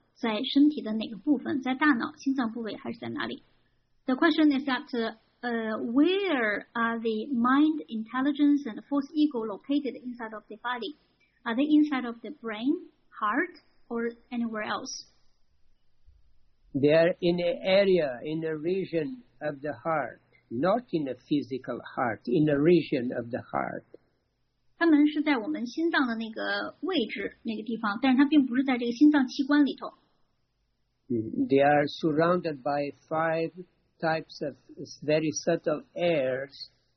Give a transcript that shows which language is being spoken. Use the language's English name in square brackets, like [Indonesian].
[Chinese] 在身体的哪个部分, 在大脑, 心脏部位, 还是在哪里? [English] The question is that where are the mind, intelligence, and false ego located inside of the body? Are they inside of the brain, heart, or anywhere else? They are in the area, in the region of the heart, not in the physical heart, in the region of the heart. [Chinese] 他们是在我们心脏的那个位置, 那个地方, 但是它并不是在这个心脏器官里头。 [English] They are surrounded by five types of very subtle airs.